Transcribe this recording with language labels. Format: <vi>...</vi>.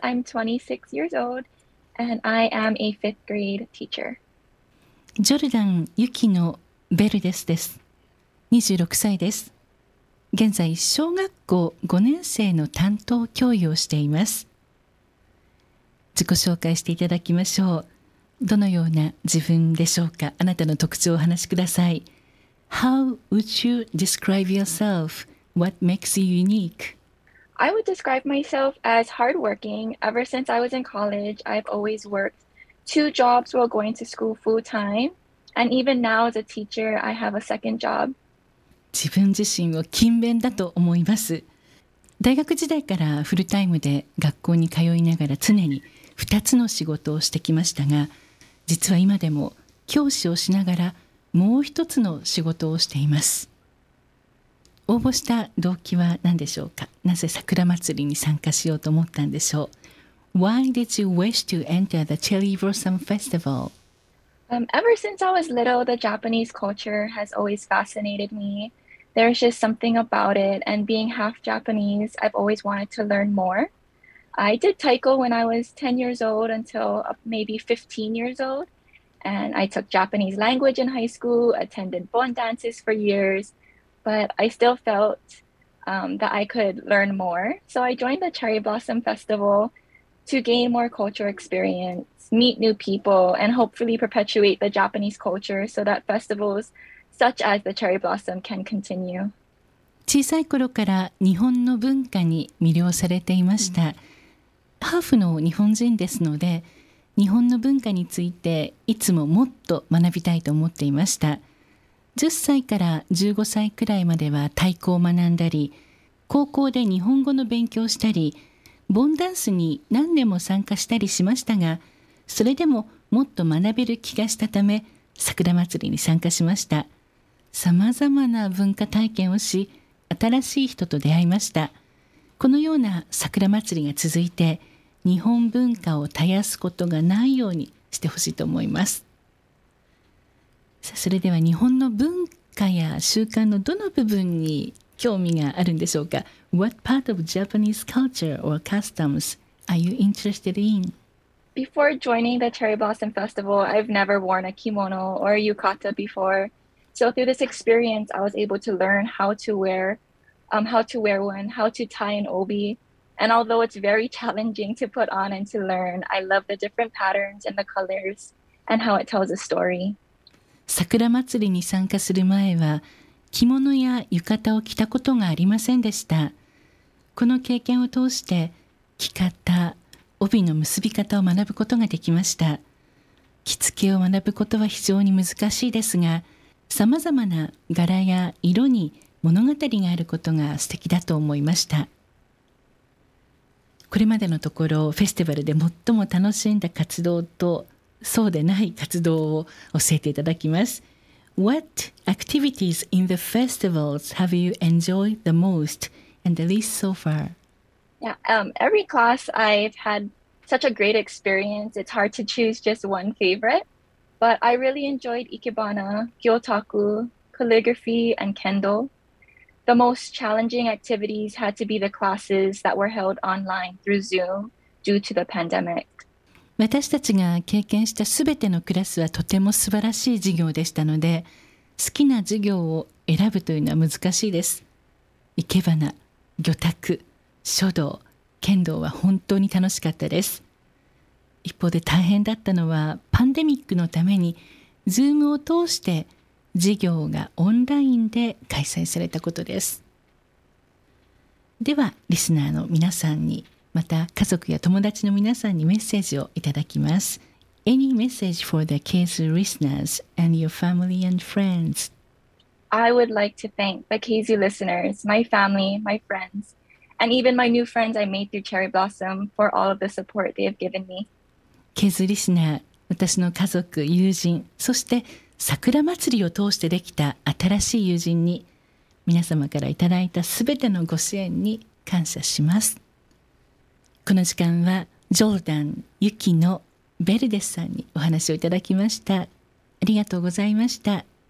<en>I'm 26 years old and I am a fifth grade teacher.</en> <ja>ジョルダン・ユキノ・ベルデスです。26歳です。現在小学校5年生の担当教諭をしています。自己紹介していただきましょう。どのような自分でしょうか？あなたの特徴をお話しください。</ja> <en>How would you describe yourself? What makes you unique? I would describe myself as hardworking. Ever since I was in college, I've always worked two jobs while going to school full time. And even now as a teacher, I have a second job.</en> <ja>自分自身を勤勉だと思います。大学時代からフルタイムで学校に通いながら常に2つの仕事をしてきましたが、実は今でも教師をしながらもう1つの仕事をしています。応募した動機は何でしょうか？なぜ桜祭りに参加しようと思ったんでしょう？</ja> <en>Why did you wish to enter the Cherry Blossom Festival? Ever since I was little, the Japanese culture has always fascinated me. There's just something about it, and being half Japanese, I've always wanted to learn more. I did taiko when I was 10 years old until maybe 15 years old, and I took Japanese language in high school, attended bon dances for years, but I still felt that I could learn more. So I joined the Cherry Blossom Festival to gain more cultural experience. Meet new people and hopefully perpetuate the Japanese culture so that festivals such as the Cherry Blossom can continue.</en> <ja>小さい頃から日本の文化に魅了されていました。ハーフの日本人ですので、日本の文化についていつももっと学びたいと思っていました。 10歳から15歳くらいまでは太鼓を学んだり、高校で日本語の勉強したり、ボンダンスに何年も参加したりしましたが、それでももっと学べる気がしたため、桜祭りに参加しました。さまざまな文化体験をし、新しい人と出会いました。このような桜祭りが続いて、日本文化を絶やすことがないようにしてほしいと思います。さあ、それでは日本の文化や習慣のどの部分に興味があるんでしょうか。</ja> <en>What part of Japanese culture or customs are you interested in? Before joining the Cherry Blossom Festival, I've never worn a kimono or a yukata before. So through this experience, I was able to learn how to wear one, how to tie an obi. And although it's very challenging to put on and to learn, I love the different patterns and the colors and how it tells a story.</en> <ja>桜祭りに参加する前は着物や浴衣を着たことがありませんでした。この経験を通して着方帯の結び方を学ぶことができました。着付けを学ぶことは非常に難しいですが、さまざまな柄や色に物語があることが素敵だと思いました。これまでのところフェスティバルで最も楽しんだ活動とそうでない活動を教えていただきます。</ja> <en>What activities in the festivals have you enjoyed the most and the least so far? Every class I've had such a great experience. It's hard to choose just one favorite, but I really enjoyed Ikebana, Gyotaku, calligraphy, and Kendo. The most challenging activities had to be the classes that were held online through Zoom due to the pandemic.</en> <ja>私たちが経験したすべてのクラスはとても素晴らしい授業でしたので、好きな授業を選ぶというのは難しいです。 Ikebana, Gyotaku. 書道、剣道は本当に楽しかったです。一方で大変だったのは、パンデミックのために、Zoom を通して授業がオンラインで開催されたことです。では、リスナーの皆さんに、また家族や友達の皆さんにメッセージをいただきます。</ja> <en>Any message for the KS listeners and your family and friends? I would like to thank the KS listeners, my family, my friends. And even my new friends I made through Cherry Blossom for all of the support they have given me.</en> <ja>ケズリスナー、私の家族、友人、そして桜祭りを通してできた新しい友人に、皆様からいただいたすべてのご支援に感謝します。この時間はジョルダン、ユキノ、ベルデスさんにお話をいただきました。ありがとうございました。</ja>